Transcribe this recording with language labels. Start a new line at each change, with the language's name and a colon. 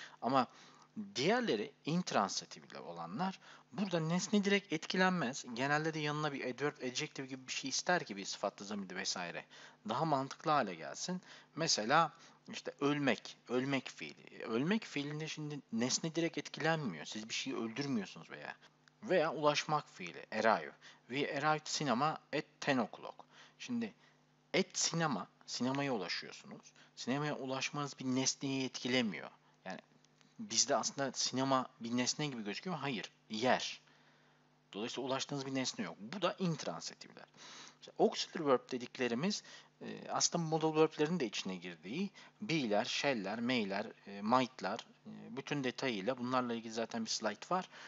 Turkish: Ama diğerleri intransitivli olanlar, burada nesne direkt etkilenmez. Genelde de yanına bir adverb, adjective gibi bir şey ister ki bir sıfatlı zamirli vesaire daha mantıklı hale gelsin. Mesela işte ölmek, ölmek fiili. Ölmek fiilinde şimdi nesne direkt etkilenmiyor. Siz bir şeyi öldürmüyorsunuz veya. Veya ulaşmak fiili, arrive.
English: We arrived cinema at 10 o'clock.
Turkish: Şimdi
English: at cinema,
Turkish: sinemaya ulaşıyorsunuz. Sinemaya ulaşmanız bir nesneyi etkilemiyor. Yani bizde aslında sinema bir nesne gibi gözüküyor mu? Hayır, yer. Dolayısıyla ulaştığınız bir nesne yok. Bu da intransitivler. İşte auxiliary verb dediklerimiz aslında modal verblerin de içine girdiği be'ler, shall'ler, may'ler, might'lar, bütün detayıyla, bunlarla ilgili zaten bir slide var.